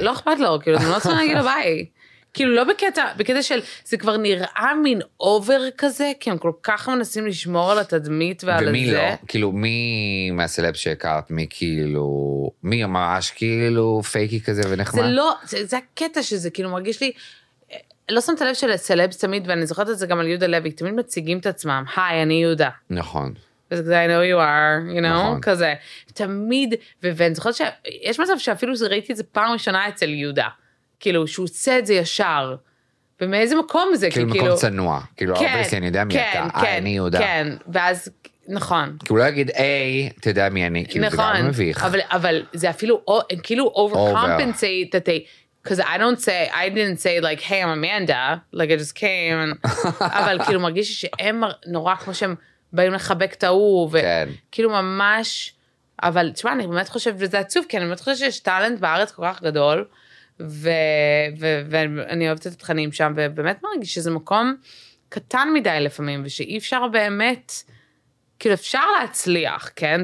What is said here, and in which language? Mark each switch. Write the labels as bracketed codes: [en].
[he] לא אכפת לו, כאילו, אני לא צריך להגיד לו ביי. כאילו לא בקטע של, זה כבר נראה מין אובר כזה, כי הם כל כך מנסים לשמור על התדמית ועל זה. ומי לא? כאילו, מי מהסלב שהכרת? מי כאילו, מי ממש כאילו פייקי כזה ונחמד? זה לא, זה הקטע שזה, כאילו מרגיש לי, לא שמת לב של סלבס תמיד, ואני זוכרת את זה גם על יהודה לוי, תמיד מציגים את עצמם, היי, אני יהודה. נכון. וזה כזה, [en] I know you are, you know, [he] כזה. תמיד, ואני זוכרת שיש מצב שאפילו ראיתי את זה פעם ראשונה אצל יהודה, כאילו, שהוא עושה את זה ישר, ומאיזה מקום זה? כאילו, מקום צנוע, כאילו, אובייסלי, אני יודע מי אתה, היי, אני יהודה. כן, ואז, נכון. כי הוא לא יגיד, היי, אתה יודע מי אני, כאילו, זה גם מביך. אבל זה אפילו, כאילו, overcompensate, [en] Because I didn't say like, hey, I'm Amanda. Like, I just came. [he] אבל כאילו מרגיש שהם נורא כמו שהם באים לחבק טעוב. כן. כאילו ממש, אבל תשמע, אני באמת חושבת, וזה עצוב, כי אני באמת חושבת שיש טלנט בארץ כל כך גדול, ואני אוהבת את התכנים שם, ובאמת מרגיש שזה מקום קטן מדי לפעמים, ושאי אפשר באמת, כאילו אפשר להצליח, כן?